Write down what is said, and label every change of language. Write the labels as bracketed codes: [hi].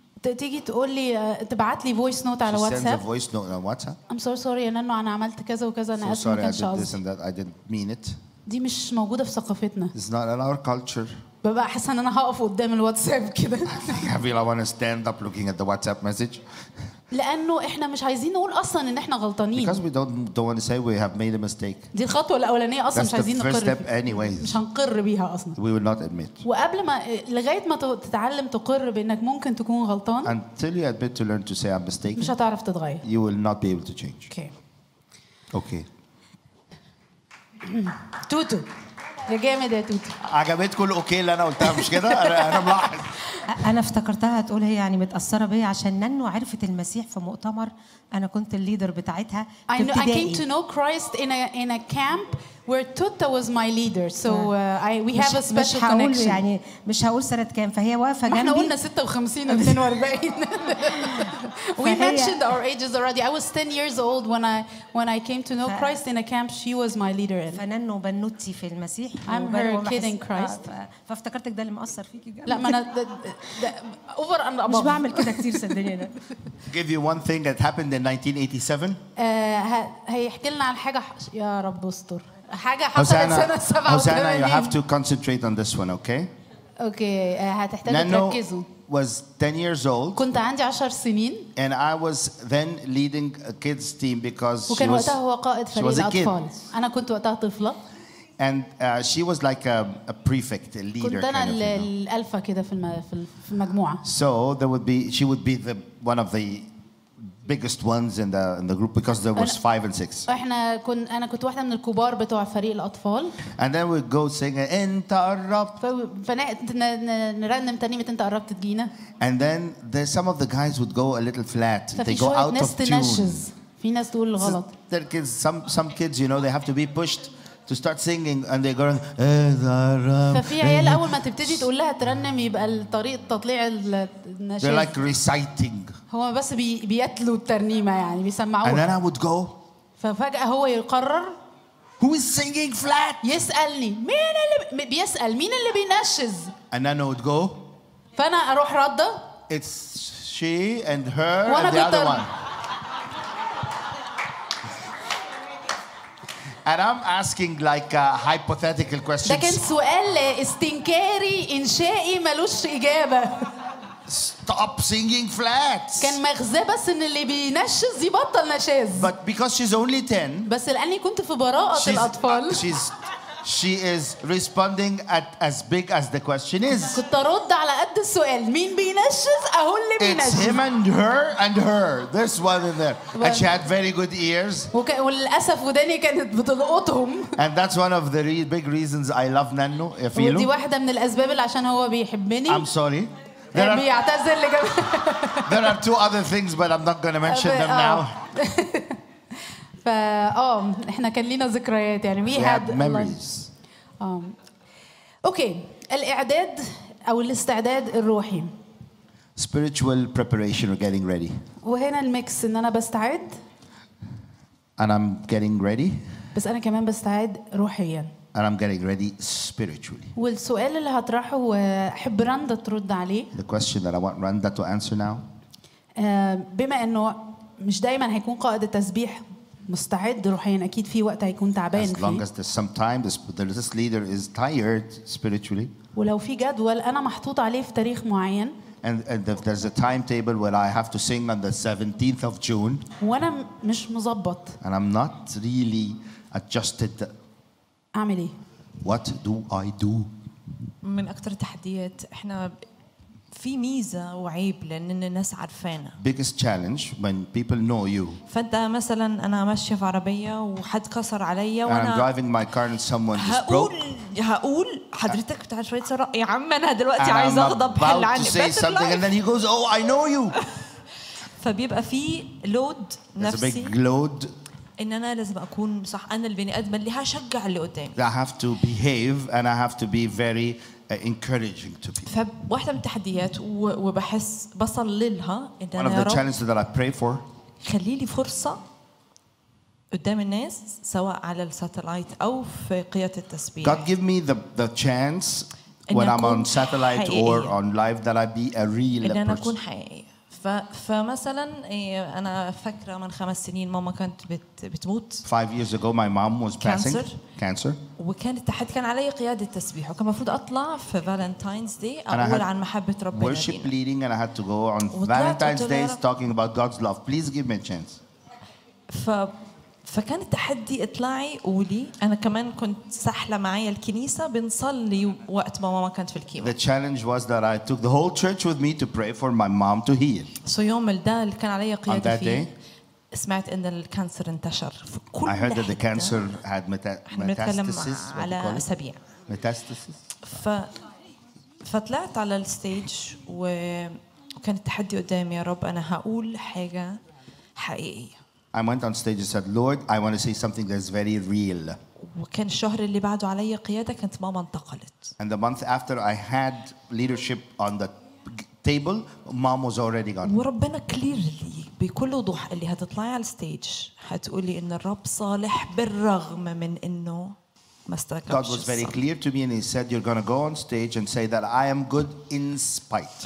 [ar] تيجي تقول لي تبعت لي فويس نوت على واتساب. [en] She sends a voice note on WhatsApp. I'm so sorry [ar] لأنه أنا عملت كذا وكذا أنا أسف. [en] So sorry I did this and that I didn't mean it. [ar] دي مش موجودة في ثقافتنا. [en] It's not in our culture. [ar] ببقى حاسة إن أنا هقف قدام الواتساب كده. [en] I feel I want to stand up looking at the WhatsApp message. [ar] لأنه إحنا مش عايزين نقول أصلاً إن إحنا غلطانين. [en] Because we don't want to say we have made a mistake. [ar] دي الخطوة الأولانية أصلاً مش عايزين نقر. [en] That's the first step anyways. [ar] مش هنقر بيها أصلاً. [en] We will not admit. [ar] وقبل ما لغاية ما تتعلم تقر بإنك ممكن تكون غلطان. [en] Until you admit to learn to say I'm mistaken. [ar] مش هتعرف تتغير. [en] You will not be able to change. Okay. Okay. [ar] توتو. يا جامد يا توتو. عجبتكم الاوكي اللي انا قلتها مش كده؟ انا ملاحظ. انا افتكرتها هتقول هي يعني متاثره بيا عشان ننو عرفت المسيح في مؤتمر انا كنت الليدر بتاعتها في ابتدائي. [en] I came to know Christ in a camp where Tuta was my leader. So we have a special connection. [ar] مش هقول يعني مش هقول سنه كام فهي واقفه جنبي. احنا قلنا 56 و 42. [en] We mentioned our ages already. I was 10 years old when I came to know Christ in a camp. She was my leader in. [ar] فننو بنوتي في المسيح. [en] I'm her kid in Christ. [ar] فافتكرتك ده اللي مأثر فيكي جامد. لا ما انا اوفر انا مش بعمل كده كتير صدقني انا. [en] Give you one thing that happened in 1987. [ar] هيحكي لنا عن حاجه يا رب استر. حاجه حصلت سنه 87. [en] You have to concentrate on this one, okay? [ar] Okay, هتحتاجوا تركزوا. [en] Was 10 years old. [ar] كنت عندي 10 سنين. [en] And I was then leading a kids team because [ar] وكان وقتها هو قائد فريق الاطفال. انا كنت وقتها طفله. [en] And she was like a prefect, a leader. [ar] كنت انا الالفا كده في المجموعه. [en] So she would be the one of the biggest ones in the group because there was 5 and 6. [ar] احنا انا كنت واحده من الكبار بتوع فريق الاطفال. [en] And then we go sing [ar] انت قربت. فنرنم ترنيمه انت قربت تجينا. [en] And then some of the guys would go a little flat. They go out of tune. [ar] في ناس تقول الغلط. [en] There kids some kids you know they have to be pushed to start singing and they go [ar] انت قربت. ففي عيال اول ما تبتدي تقول لها ترنم يبقى الطريق تطليع النشاز. [en] They're like reciting. [ar] هو بس بيتلو الترنيمة يعني بيسمعوها. [en] And then I would go. [ar] ففجأة هو يقرر. [en] Who is singing flat? [ar] يسألني مين اللي بيسأل مين اللي بينشز. [en] And then I would go. [ar] فأنا أروح ردة. [en] It's she and her and the other one. And I'm asking like a hypothetical question. [ar] لكن سؤال استنكاري إنشائي ملوش إجابة. [en] Stop singing flats. [ar] كان مغزى بس ان اللي بينشز يبطل نشاز. [en] But because she's only 10. [ar] بس لاني كنت في براءة الاطفال. [en] She is responding at as big as the question is. [ar] كنت ارد على قد السؤال مين بينشز اهو اللي بينشز. [en] It's him and her. This one and there. And she had very good ears. [ar] وللاسف وداني كانت بتلقطهم. [en] And that's one of the big reasons I love Nanno. [ar] ودي واحدة من الأسباب اللي عشان هو بيحبني. [en] I'm sorry. There are two other things, but I'm not going to mention them now. [ar] احنا كان لينا ذكريات يعني. [en] We had memories. [ar] اوكي الاعداد او الاستعداد الروحي [en] spiritual preparation or getting ready [ar] وهنا الميكس ان انا بستعد [en] and I'm getting ready [ar] بس انا كمان بستعد روحيا [en] and I'm getting ready spiritually [ar] والسؤال اللي هطرحه هو احب رندا ترد عليه [en] the question that I want Randa to answer now [ar] بما انه مش دايما هيكون قائد التسبيح مستعد روحيا اكيد في وقت هيكون تعبان فيه [en] as long as there's some time this leader is tired spiritually [ar] ولو في جدول انا محطوط عليه في تاريخ معين [en] and if there's a timetable where I have to sing on the 17th of June [ar] وانا مش مظبط [en] and I'm not really adjusted [ar] اعمل ايه [en] what do I do [ar] من اكتر التحديات احنا في ميزة وعيب لأن الناس عارفانا. [en] Biggest challenge when people know you. [ar] فأنت مثلاً أنا ماشية في عربية وحد كسر عليا وأنا. [en] And I'm driving my car and someone just broke. [ar] هقول حضرتك بتعرف شوية سرعة يا عم أنا دلوقتي عايز أغضب حل عني. [en] About to say something and then he goes oh I know you. [ar] فبيبقى في load نفسي. [en] It's a big load. [ar] إن أنا لازم أكون صح أنا البني آدم اللي هشجع اللي قدامي. [en] I have to behave and I have to be very encouraging to people. [ar] فواحدة من التحديات وبحس بصللها إن أنا. [en] One of the challenges that I pray for. [ar] خلي لي فرصة قدام الناس سواء على الساتلايت أو في قيادة التسبيح. [en] God give me the chance when I'm on satellite [ar] حقيقية. [en] Or on live that I be a real person. [ar] إن أنا أكون حقيقية. فمثلا أنا فكرة من خمس سنين ماما كانت بتموت. [en] Five years ago my mom was passing. Cancer. [ar] وكان التحدي كان علي قيادة التسبيح وكان مفروض أطلع في Valentine's Day أقول عن محبة ربنا. [en] Worship leading and I had to go on Valentine's Day talking about God's love. Please give me a chance. [ar] فكان التحدي اطلعي قولي أنا كمان كنت سحلة معايا الكنيسة بنصلي وقت ما ماما كانت في الكيمو. [en] The challenge was that I took the whole church with me to pray for my mom to heal. [ar] So يوم الدال اللي كان علي قيادة فيه سمعت إن الكانسر انتشر في كل [en] I heard that the cancer had metastasis. [ar] على أسابيع. [en] Metastasis. [ar] فطلعت على الستيج وكان التحدي قدامي يا رب أنا هقول حاجة حقيقية. [en] I went on stage and said, Lord, I want to say something that's very real. [ar] وكان الشهر اللي بعده علي قيادة كانت ماما انتقلت. [en] And the month after I had leadership on the table, mom was already gone. [ar] وربنا clearly بكل وضوح اللي هتطلعي على الستيج هتقولي ان الرب صالح بالرغم من انه ما استركبش [en] God was very clear to me and he said, you're going to go on stage and say that I am good in spite.